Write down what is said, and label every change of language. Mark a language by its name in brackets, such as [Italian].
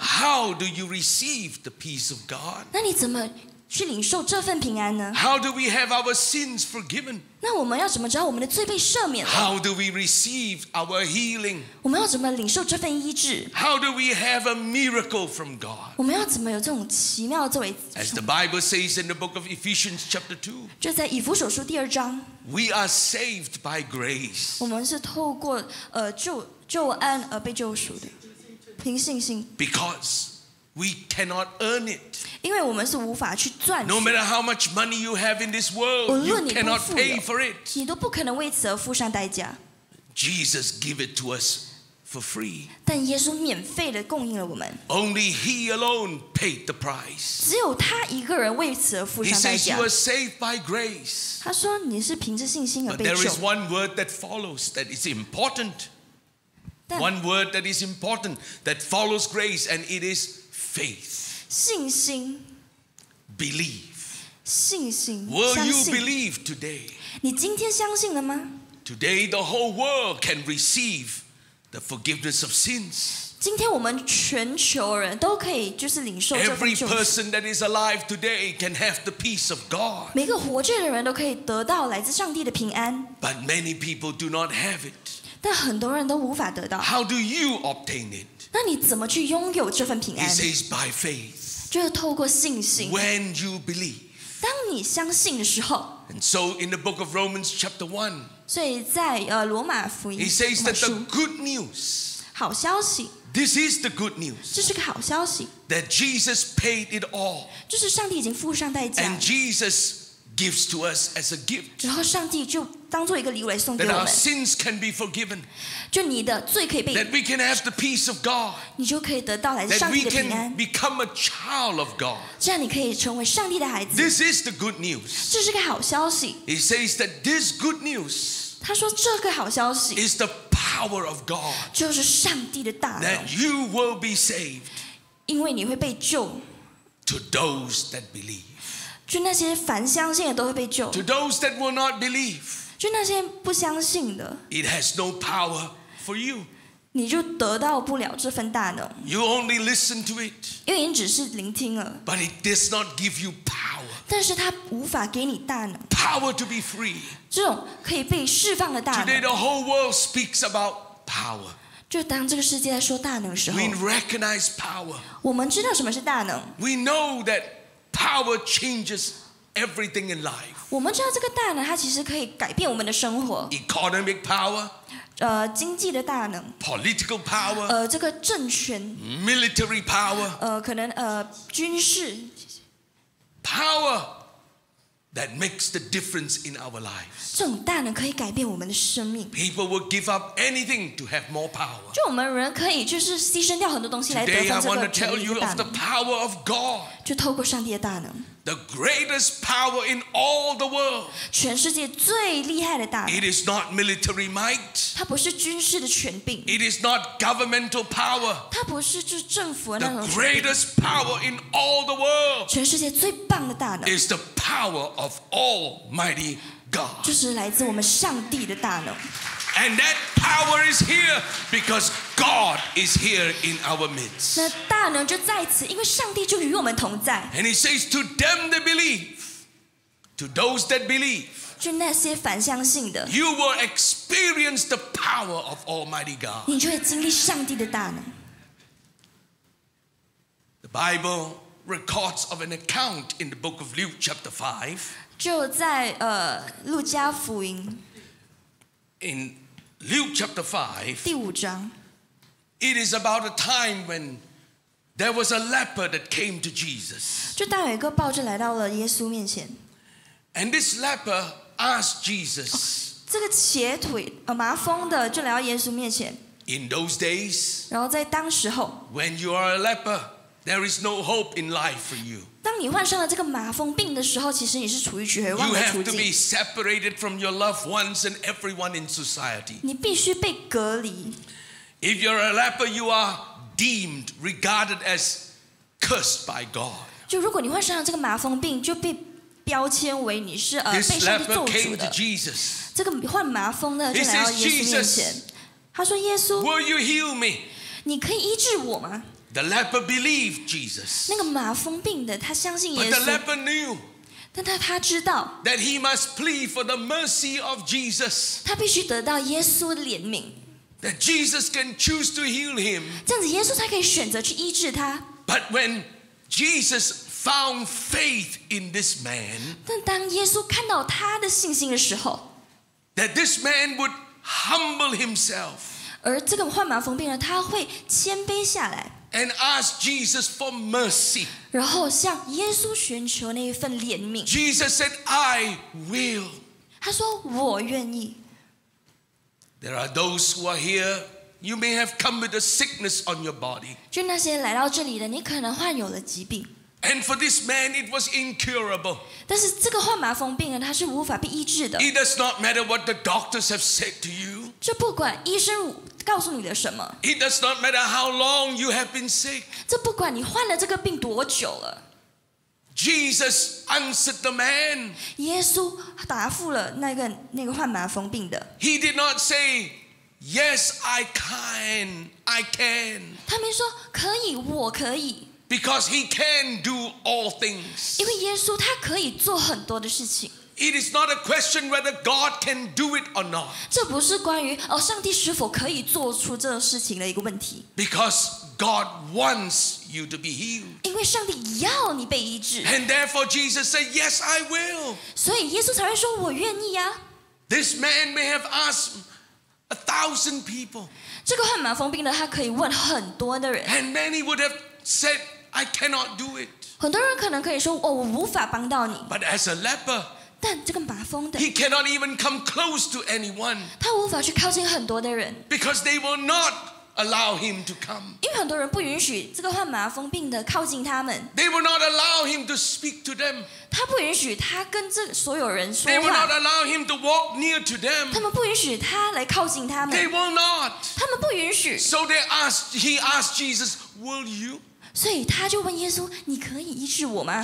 [English] How do you receive the peace of God？ [Chinese] 那你怎么去领受这份平安呢？ [English] How do we have our sins forgiven? [Chinese] 那我们要怎么知道我们的罪被赦免了？ [English] How do we receive our healing? [Chinese] 我们要怎么领受这份医治？ [English] How do we have a miracle from God? [Chinese] 我们要怎么有这种奇妙的作为？ [English] As the Bible says in the book of Ephesians chapter 2, [Chinese] 就在以弗所书第二章， [English] We are saved by grace. [Chinese] 我们是透过救恩而被救赎的，凭信心。 [English] Because we cannot earn it. [Chinese] 因为我们是无法去赚取。 [English] No matter how much money you have in this world, you cannot pay for it. [Chinese] 你都不可能为此而付上代价。 [English] Jesus gave it to us for free. [Chinese] 但耶稣免费的供应了我们。 [English] Only He alone paid the price. [Chinese] 只有他一个人为此而付上代价。 [English] He says you are saved by grace. [Chinese] 他说你是凭着信心而被救。 [English] But there is one word that follows that is important. One word that is important that follows grace, and it is faith. [Chinese] 信心 [English] believe [Chinese] 信心 [English] will you believe today [Chinese] 你今天相信了吗 [English] today the whole world can receive the forgiveness of sins [Chinese] 今天我们全球人都可以就是领受这份救赎 [English] every person that is alive today can have the peace of God [Chinese] 每个活着的人都可以得到来自上帝的平安 [English] but many people do not have it [Chinese] 但很多人都无法得到 [English] how do you obtain it [Chinese] 那你怎么去拥有这份平安 [English] He says by faith [Chinese] 就是透过信心 [English] When you believe [Chinese] 当你相信的时候 [English] And so in the book of Romans chapter 1 [Chinese] 所以在罗马福音 [English] He says that the good news [Chinese] 好消息 [English] This is the good news [Chinese] 这是个好消息 [English] That Jesus paid it all [Chinese] 就是上帝已经付上代价 [English] And Jesus gives to us as a gift [Chinese] 然后上帝就当作一个礼物来送给我们 [English] That our sins can be forgiven [Chinese] 就你的罪可以被 [English] That we can have the peace of God [Chinese] 你就可以得到来自上帝的平安 [English] That we can become a child of God [Chinese] 这样你可以成为上帝的孩子 [English] This is the good news [Chinese] 这是个好消息 [English] He says that this good news [Chinese] 他说这个好消息 [English] is the power of God [Chinese] 就是上帝的大能 [English] That you will be saved [Chinese] 因为你会被救 [English] To those that believe [Chinese] 就那些凡相信的都会被救 [English] To those that will not believe [Chinese] 就那些不相信的 [English] It has no power for you. [Chinese] 你就得到不了这份大能 [English] You only listen to it. [Chinese] 因为你只是聆听了 [English] But it does not give you power. [Chinese] 但是它无法给你大能 [English] Power to be free. [Chinese] 这种可以被释放的大能 [English] Today the whole world speaks about power. [Chinese] 就当这个世界在说大能的时候 [English] We recognize power. [Chinese] 我们知道什么是大能 [English] We know that power changes everything in life. [Chinese] 我们知道这个大能，它其实可以改变我们的生活。 [English] Economic power， [Chinese] 经济的大能。 [English] Political power， [Chinese] 这个政权。 [English] Military power， [Chinese] 可能军事。 [English] Power that makes the difference in our lives。 [Chinese] 这种大能可以改变我们的生命。 [English] People will give up anything to have more power。 [Chinese] 就我们人可以就是牺牲掉很多东西来得到这个权力的大能。 [English] Today I want to tell you of the power of God。 [Chinese] 就透过上帝的大能。 [English] The greatest power in all the world. [Chinese] 全世界最厉害的大能。 [English] It is not military might. [Chinese] 它不是军事的权柄。 [English] It is not governmental power. [Chinese] 它不是就政府那种权柄。 [English] The greatest power in all the world. [Chinese] 全世界最棒的大能。 [English] Is the power of Almighty God. [Chinese] 就是来自我们上帝的大能。 [English] And that power is here because God is here in our midst. [Chinese] 那大能就在此，因为上帝就与我们同在。 [English] And he says to them that believe, to those that believe, [Chinese] 就那些凡相信的 [English] you will experience the power of Almighty God. [Chinese] 你就会经历上帝的大能。 [English] The Bible records of an account in the book of Luke chapter 5. [Chinese] 就在路加福音。 [English] In Luke chapter 5, [Chinese] 第五章 [English] it is about a time when there was a leper that came to Jesus. [Chinese] 就当有一个抱着来到了耶稣面前 [English] And this leper asked Jesus, [Chinese] 这个瘸腿麻风的就来到耶稣面前 [English] In those days, [Chinese] 然后在当时候 [English] when you are a leper, there is no hope in life for you. [Chinese] 当你患上了这个麻风病的时候，其实你是处于绝望的处境。 [English] You have to be separated from your loved ones and everyone in society. [Chinese] 你必须被隔离。 [English] If you're a leper, you are deemed, regarded as cursed by God. [Chinese] 就如果你患上了这个麻风病，就被标签为你是被上帝咒诅的。 [English] This leper came to Jesus. [Chinese] 这个患麻风的就来到耶稣面前。他说：“耶稣 [English] ，Will you heal me? [Chinese] 你可以医治我吗？” [English] The leper believed Jesus. [Chinese] 那个麻风病的，他相信耶稣。 [English] But the leper knew. [Chinese] 但他知道。 [English] That he must plead for the mercy of Jesus. [Chinese] 他必须得到耶稣的怜悯。 [English] That Jesus can choose to heal him. [Chinese] 这样子，耶稣才可以选择去医治他。 [English] But when Jesus found faith in this man, [Chinese] 但当耶稣看到他的信心的时候 [English] ，That this man would humble himself. [Chinese] 而这个患麻风病人，他会谦卑下来。 [English] And ask Jesus for mercy. [Chinese] 然后向耶稣寻求那一份怜悯。 [English] Jesus said, "I will." [Chinese] 他说我愿意。 [English] There are those who are here. You may have come with a sickness on your body. [Chinese] 就那些来到这里的，你可能患有了疾病。 [English] And for this man, it was incurable. [Chinese] 但是这个患麻风病人，他是无法被医治的。 [English] It does not matter what the doctors have said to you. [Chinese] 这不管医生。告诉你了什么 [English] ？It does not matter how long you have been sick. [Chinese] 这不管你患了这个病多久了。 [English] Jesus answered the man. [Chinese] 耶稣答复了那个患麻风病的。 [English] He did not say, "Yes, I can, I can." [Chinese] 他没说可以，我可以。 [English] Because he can do all things. [Chinese] 因为耶稣他可以做很多的事情。 [English] It is not a question whether God can do it or not. [Chinese] 这不是关于哦，上帝是否可以做出这事情的一个问题。 [English] Because God wants you to be healed. [Chinese] 因为上帝要你被医治。 [English] And therefore Jesus said, "Yes, I will." [Chinese] 所以耶稣才会说我愿意呀。 [English] This man may have asked 1,000 people. [Chinese] 这个患麻风病的他可以问很多的人。 [English] And many would have said, "I cannot do it." [Chinese] 很多人可能可以说哦，我无法帮到你。 [English] But as a leper. [Chinese] 但这个麻风的 [English] ，He cannot even come close to anyone. [Chinese] 他无法去靠近很多的人 [English] ，Because they will not allow him to come. [Chinese] 因为很多人不允许这个患麻风病的靠近他们 [English] ，They will not allow him to speak to them. [Chinese] 他不允许他跟这所有人说话 [English] ，They will not allow him to walk near to them. [Chinese] 他们不允许他来靠近他们 [English] ，They will not. [Chinese] 他们不允许 [English] ，So they asked. He asked Jesus, "Will you?" [Chinese] 所以他就问耶稣，你可以医治我吗